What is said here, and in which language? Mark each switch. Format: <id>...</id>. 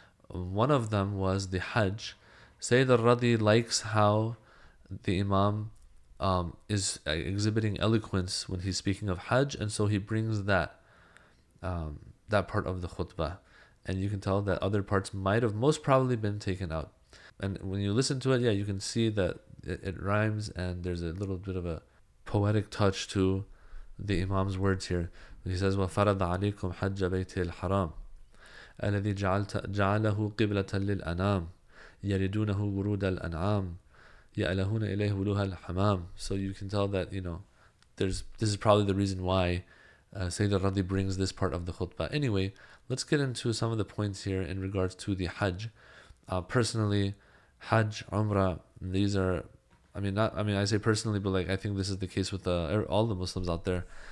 <en>One of them was the Hajj. Sayyid al-Radi likes how the Imam is exhibiting eloquence when he's speaking of Hajj, and so he brings that that part of the khutbah. And you can tell that other parts might have most probably been taken out. And when you listen to it, yeah, you can see that it rhymes and there's a little bit of a poetic touch to the Imam's words here. He says,</en> <ar>وَفَرَضَ عَلَيْكُمْ حَجَّ بَيْتِ الْحَرَامِ الذي جعله قبلة للأنام يريدونه ورود الأنعام يألهون إليه ولوه الحمام.</ar> <en>So you can tell that, you know, this is probably the reason why Sayyid al-Radi brings this part of the khutbah. Anyway, let's get into some of the points here in regards to the Hajj. Personally, Hajj, Umrah, I think this is the case with all the Muslims out there.</en>